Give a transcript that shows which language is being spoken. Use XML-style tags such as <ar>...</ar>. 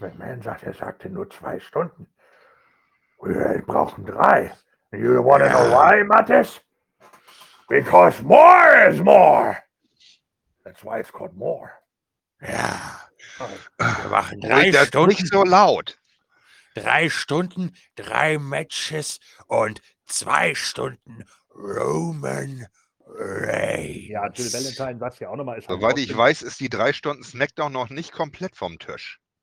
<de>McMahon sagt, er sagte nur 2 Stunden. Wir brauchen 3.</de> <en>You want to know why, Mattis? Because more is more. That's why it's called more.</en> <de>Ja. Wir machen 3 Stunden. Nicht so laut. 3 Stunden, 3 Matches und 2 Stunden Roman Reigns. Ja, Jill Valentine sagt ja auch nochmal. Soweit ich weiß, ist die 3 Stunden Smackdown noch nicht komplett vom Tisch.</de>